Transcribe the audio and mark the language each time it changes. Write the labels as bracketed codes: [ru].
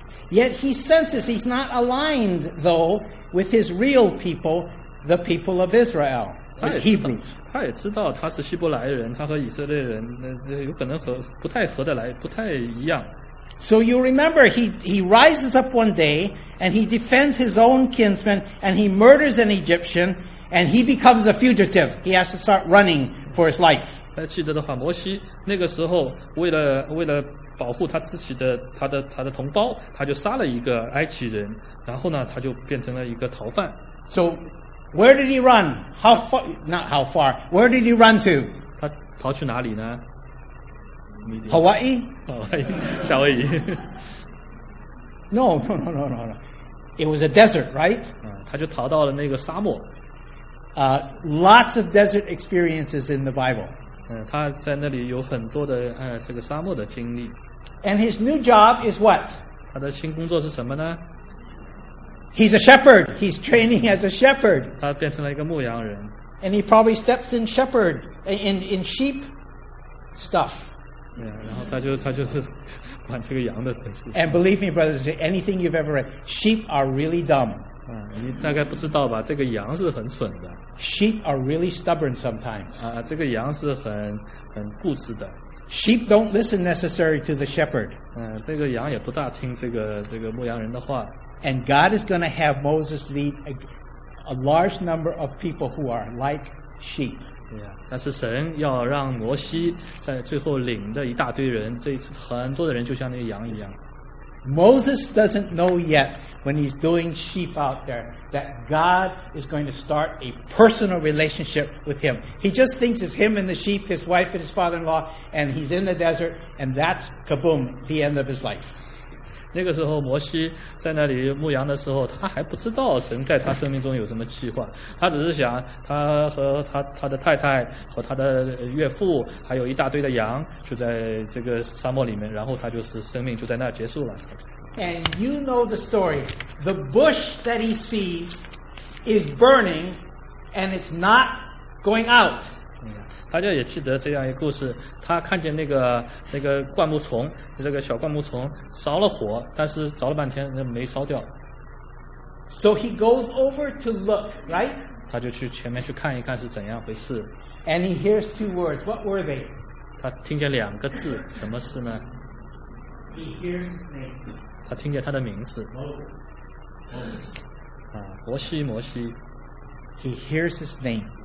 [en] Yet he senses he's not aligned though with his real people, the people of Israel, Hebrews. [zh] 他也知道他是希伯来人，他和以色列人那有可能和不太合得来，不太一样。 [en] So you remember, he rises up one day and he defends his own kinsmen and he murders an Egyptian and he becomes a fugitive. He has to start running for his life. [zh] 记得的话，摩西那个时候为了保护他自己的他的同胞，他就杀了一个埃及人，然后呢，他就变成了一个逃犯。 [en] So where did he run? How far? Not how far. Where did he run to? [zh] 他逃去哪里呢？ [en] Hawaii? [zh] Hawaii, 夏威夷。 [en] No. It was a desert, right? [zh] 他就逃到了那个沙漠。 [en] Lots of desert experiences in the Bible. [zh] 他在那里有很多的这个沙漠的经历。 [en] And his new job is what? [zh] 他的新工作是什么呢？ [en] He's a shepherd. He's training as a shepherd. [zh] 他变成了一个牧羊人。 [en] And he probably steps in shepherd, in sheep stuff. [zh] Yeah, 然后他就是管这个羊的事。 [en] And believe me, brothers, anything you've ever read, sheep are really dumb. [zh] 你大概不知道吧？这个羊是很蠢的。 [en] Sheep are really stubborn sometimes. [zh] 这个羊是很固执的。 [en] Sheep don't listen necessarily to the shepherd. [zh] 这个羊也不大听这个牧羊人的话。 [en] And God is going to have Moses lead a large number of people who are like sheep. [zh] Yeah, 但是神要让摩西在最后领的一大堆人，这一次很多的人就像那个羊一样。 [en] Moses doesn't know yet when he's doing sheep out there that God is going to start a personal relationship with him. He just thinks it's him and the sheep, his wife and his father-in-law, and he's in the desert, and that's kaboom, the end of his life. [zh] 那个时候摩西在那里牧羊的时候，他还不知道神在他生命中有什么计划，他只是想他和他的太太和他的岳父还有一大堆的羊就在这个沙漠里面，然后他就是生命就在那结束了。 [en] And you know the story, the bush that he sees is burning and it's not going out. [zh] 大家也记得这样一个故事，他看见那个灌木丛，这个小灌木丛着了火，但是着了半天没烧掉。 [en] So he goes over to look, right? [zh] 他就去前面去看一看是怎样回事。 [en] And he hears two words. What were they? [zh] 他听见两个字，什么事呢？ [en] He hears his name. [zh] 他听见他的名字。 [en] Moses. [zh] 摩西，摩西。 [en] He hears his name.